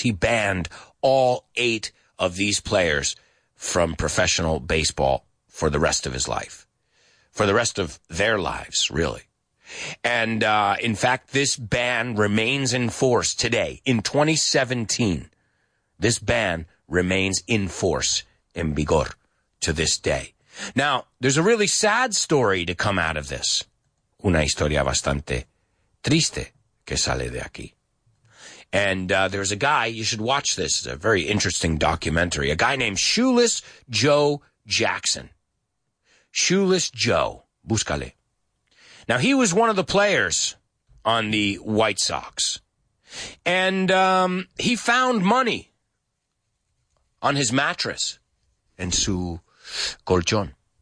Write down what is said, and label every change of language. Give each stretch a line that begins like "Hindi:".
English: He banned all 8 of these players from professional baseball for the rest of his life, for the rest of their lives, really. And in fact, this ban remains in force today. In 2017, this ban remains in force,
Spanish: en vigor,
English: to this day. Now, there's a really sad story to come out of this.
Spanish: Una historia bastante triste que sale de aquí.
English: And there's a guy, you should watch this, it's a very interesting documentary, a guy named Shoeless Joe Jackson. Shoeless Joe,
Spanish: búscale.
English: Now, he was one of the players on the White Sox. And he found money on his mattress and
Spanish: su colchón.